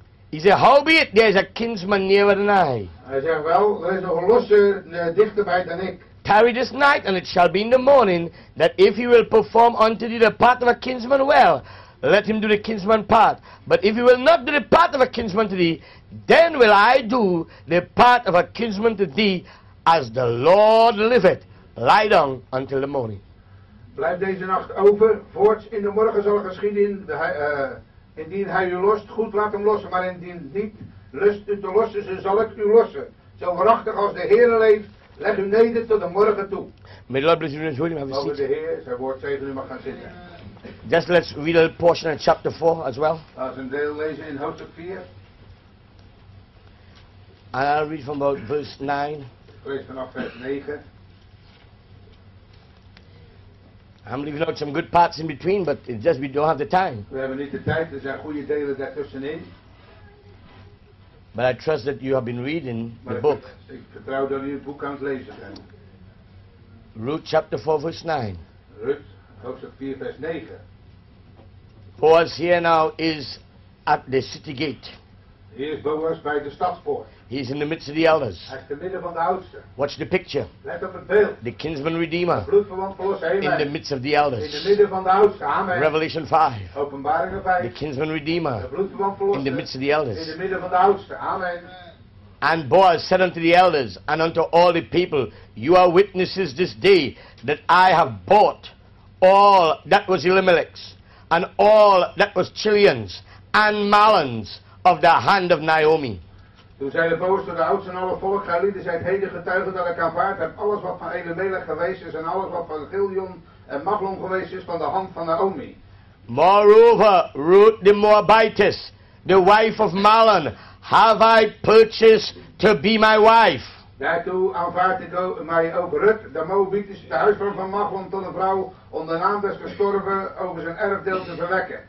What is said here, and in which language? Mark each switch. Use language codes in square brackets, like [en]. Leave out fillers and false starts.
[en] He said, howbeit, there is a kinsman nearer than I. [nl] Hij zegt wel, er is nog een losse dichterbij dan ik. [en] Tarry this night, and it shall be in the morning, that if he will perform unto thee the part of a kinsman well, let him do the kinsman part. But if he will not do the part of a kinsman to thee, then will I do the part of a kinsman to thee, as the Lord liveth. Lie down until the morning. [nl] Blijf deze nacht over, voorts in de morgen zal geschieden de indien hij u lost, goed laat hem lossen. Maar indien niet lust u te lossen, zo zal ik u lossen. Zo waarachtig als de Heere leeft, leg u neder tot de morgen toe. [en] May the Lord bless you and have a seat. [nl] Over de Heer, zijn woord zegen, u mag gaan zitten. [en] Just let's read a portion in chapter 4 as well. [nl] Laat een deel lezen in hoofdstuk 4. [en] And I'll read from about verse 9. [nl] Lees vanaf vers 9. [en] I'm leaving out some good parts in between, but it's just we don't have the time. [nl] We hebben niet de tijd, er zijn goede delen daar tussenin. [en] But I trust that you have been reading the book. [nl] Ik vertrouw dat u het boek aan het lezen bent. [en] Ruth chapter 4 verse 9. [nl] Ruth, hoofdstuk 4 vers 9. [en] Boaz here now is at the city gate. [nl] Hier is Boaz bij de stadspoort. [en] He's in the midst of the elders. Watch the picture. [nl] Let op het beeld. [en] The kinsman redeemer. [nl] Bloedverwant verlosser. [en] In the midst of the elders. [nl] In de midden van de oudste. [en] Amen. Revelation 5. [nl] Openbaring 5. [en] The kinsman redeemer. [nl] Bloedverwant verlosser. [en] In the midst of the elders. [nl] In de midden van de oudste. [en] Amen. And Boaz said unto the elders and unto all the people, you are witnesses this day that I have bought all that was Elimelech's and all that was Chilion's and Mahlon's of the hand of Naomi. [nl] Toen zei de boos tot de oudste en alle volk, gij lieden zijt heden getuigen dat ik aanvaard heb alles wat van Elimelech geweest is en alles wat van Gilion en Mahlon geweest is van de hand van Naomi. [en] Moreover, Ruth the Moabitess, the wife of Mahlon, have I purchased to be my wife. [nl] Daartoe aanvaard ik mij ook Ruth, de Moabitess, de huisvrouw van Mahlon, tot een vrouw om de naam des gestorven over zijn erfdeel te verwekken.